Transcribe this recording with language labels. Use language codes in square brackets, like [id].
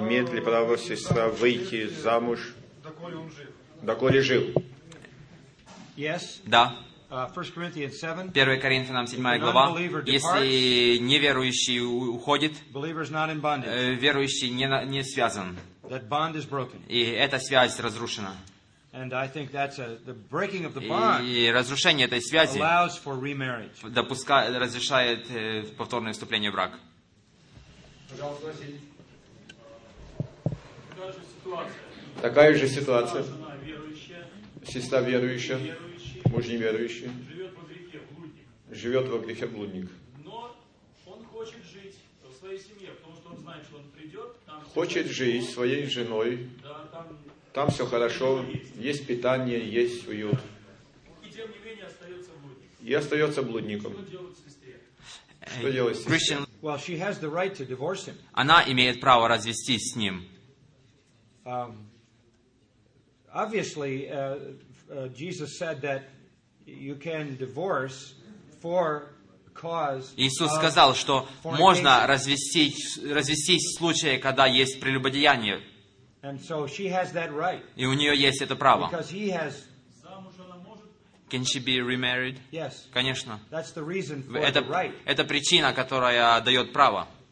[ru] Имеет ли право сестра выйти замуж? Доколе он жив? Доколе жил? [en] Yes. [ru] Да. 1 Коринфянам 7 глава. Если неверующий уходит, верующий не связан. [en] That bond is broken. [ru] И эта связь разрушена. [en] And I think that's the breaking of the bond. [ru] И разрушение этой связи [en] allows for remarriage. [ru] Допускает, разрешает повторное вступление в брак. Пожалуйста, Василий. Такая же ситуация. Такая же ситуация. Жена верующая. Сестра верующая. Верующий. Муж неверующий. Живет во грехе блудник. Живет во грехе блудник. Но он хочет жить в своей семье, потому что он знает, что он придет. Хочет жить своей женой, там все хорошо, есть питание, есть уют. И тем не менее остается блудником. И остается блудником. Что делать сестре? Что делать сестре? [en] Well, she has the right to divorce him. [ru] Она имеет право развестись с ним. [en] Obviously, Jesus said that you can divorce for cause. [ru] Иисус сказал, что можно развестись в случае, когда есть прелюбодеяние. [en] And so she has that right. [ru] И у нее есть это право. [en] Because he has. Can she be remarried? Yes. [ru] Конечно. [en] That's the reason for это, the right. [ru] Это причина, которая дает право.